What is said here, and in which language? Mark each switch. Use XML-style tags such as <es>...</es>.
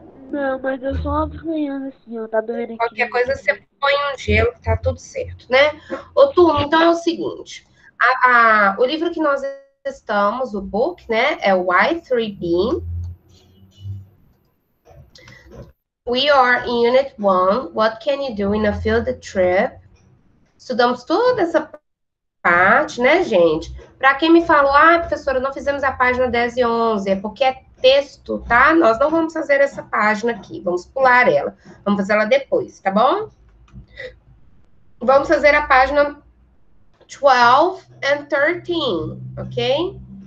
<pt>Não, mas eu sou arranhando assim, ó, tá doendo aqui. Qualquer coisa você põe um gelo, tá tudo certo, né? Ô, turma, então é o seguinte. O livro que nós estamos, o book, né, é o Y3B.</pt> <en>We are in Unit 1, What Can You Do in a Field Trip?</en> <pt>Estudamos toda essa parte, né, gente? Pra quem me falou, professora, não fizemos a página 10 e 11, é porque é texto, tá? Nós não vamos fazer essa página aqui, vamos pular ela. Vamos fazer ela depois, tá bom? Vamos fazer a página 12 and 13, ok?</pt>